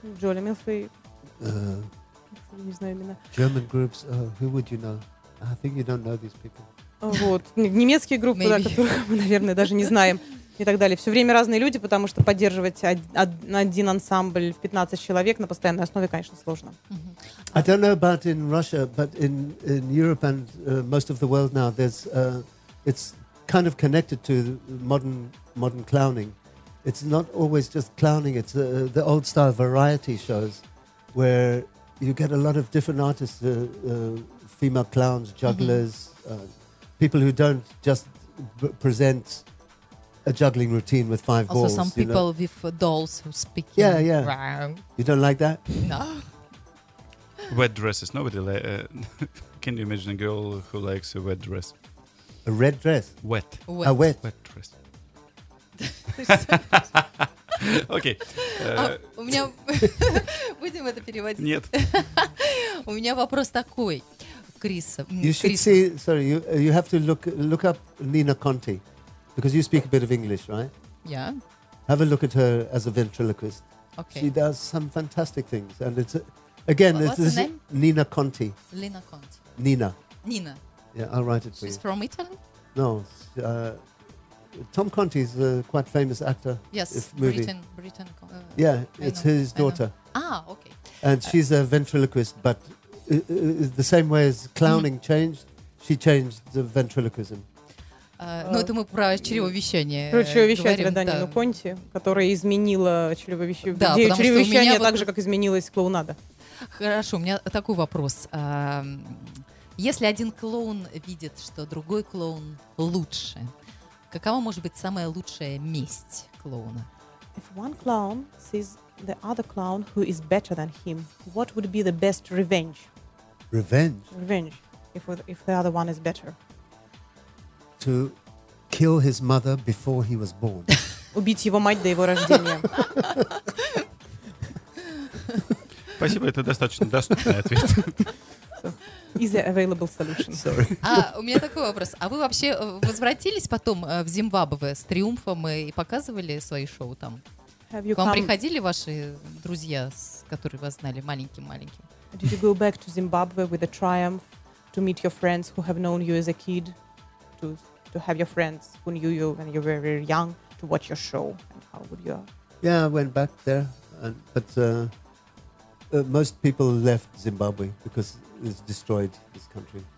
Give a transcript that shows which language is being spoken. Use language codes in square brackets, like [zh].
[ru] Jolly Melville. Не знаю имена. [en] German groups, who would you know? I think you don't know these people. [ru] Вот, немецкие группы, да, которых мы, наверное, даже не знаем, и так далее. Все время разные люди, потому что поддерживать один ансамбль в 15 человек на постоянной основе, конечно, сложно. [en] I don't know about in Russia, but in Europe and most of the world now, there's it's kind of connected to modern clowning. It's not always just clowning, it's the old style variety shows, where you get a lot of different artists, female clowns, jugglers, people who don't just present a juggling routine with five also balls. Also some people know? With dolls who speak. Yeah, yeah. Rah. You don't like that? No. Wet dresses. Nobody like. Can you imagine a girl who likes a wet dress? A red dress? Wet. A wet. Wet dress. [ru] Окей. У меня будем это переводить. Нет. У меня вопрос такой, Криса. [en] You should see, sorry, you have to look up Nina Conti, because you speak a bit of English, right? Yeah. Have a look at her as a ventriloquist. Okay. She does some fantastic things, and it's again. What's her name? Nina Conti. Lina Conti. Nina. Nina. Yeah, I'll write it for you. She's from Italy. No. Tom Conti is a quite famous actor. Yes, Britain. Yeah, it's his daughter. Ah, okay. And she's a ventriloquist, but the same way as clowning changed, she changed the ventriloquism. [ru] Ну, это мы про чревовещание. Про чревовещание, да, Нину Конти, которая изменила чревовещание так же, как изменилась клоунада. Хорошо, у меня такой вопрос. Если один клоун видит, что другой клоун лучше, какова может быть самая лучшая месть клоуна? [en] If one clown sees the other clown who is better than him, what would be the best revenge? Revenge. Revenge. If the other one is better. to kill his mother before he was born. [ru] Убить его мать до его рождения. Спасибо, это достаточно доступный ответ. [en] Is there available solution? Sorry. [ru] А у меня такой вопрос. А вы вообще возвратились потом в Зимбабве с триумфом и показывали свои шоу там? [en] Have you [ru] К вам [en] come... [ru] приходили ваши друзья, которые вас знали маленьким-маленьким? [en] Did you go back to Zimbabwe with a triumph to meet your friends who have known you as a kid, to have your friends who knew you when you were very young to watch your show? And how would you? Yeah, I went back there, but most people left Zimbabwe because it's destroyed this country.